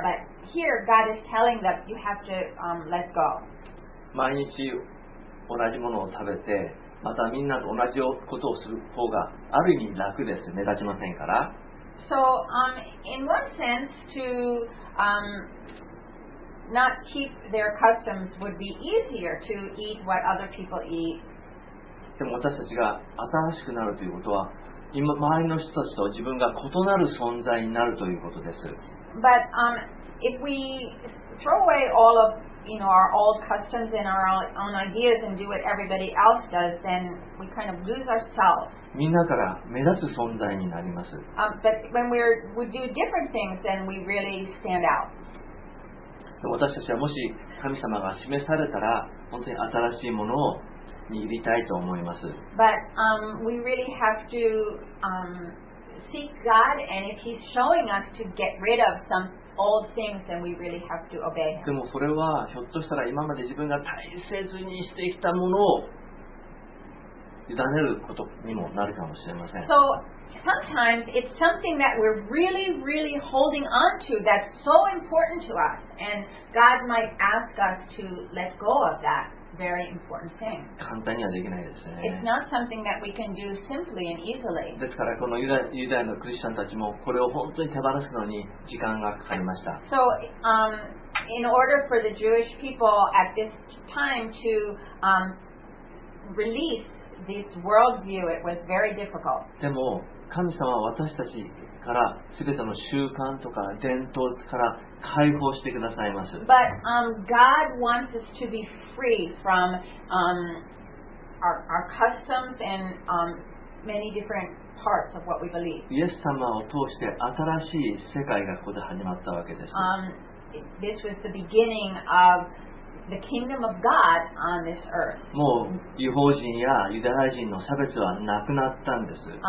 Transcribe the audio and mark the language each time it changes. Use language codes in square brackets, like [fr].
[en] But here, God is telling them, you have to let go. [ja] 毎日同じものを食べて、またみんなと同じことをする方がある意味楽です。目立ちませんから。 [en] So, in one sense, to not keep their customs would be easier to eat what other people eat. [ja] でも私たちが新しくなるということは、今周りの人たちと自分が異なる存在になるということです。 [en] But if we throw away all of our old customs and our own ideas and do what everybody else does, then we kind of lose ourselves. [ja] みんなから目立つ存在になります。 [en] But when we do different things, then we really stand out. [ja] 私たちはもし神様が示されたら本当に新しいものを握りたいと思います。 [en] But, we really have to, seek God, and if He's showing us to get rid of some old things, then we really have to obey Him. [ja] でもそれはひょっとしたら今まで自分が大切にしてきたものを委ねることにもなるかもしれません。 [en] So sometimes it's something that we're really, really holding on to that's so important to us, and God might ask us to let go of that very important thing. [ja] 簡単にはできないですね。 [en] It's not something that we can do simply and easily. [ja] ですからこのユダヤのクリスチャンたちもこれを本当に手放すのに時間がかかりました。 [en] So, in order for the Jewish people at this time to, release this worldview, it was very difficult. [ja] でも神様は私たちから全ての習慣とか伝統から解放してくださいます。 [en] But, God wants us to be free from, our customs and, many different parts of what we believe. [ja] イエス様を通して新しい世界がここで始まったわけです。 [en] This was the beginning of the kingdom of God on this earth. [ja] もう異邦人やユダヤ人の差別はなくなったんです。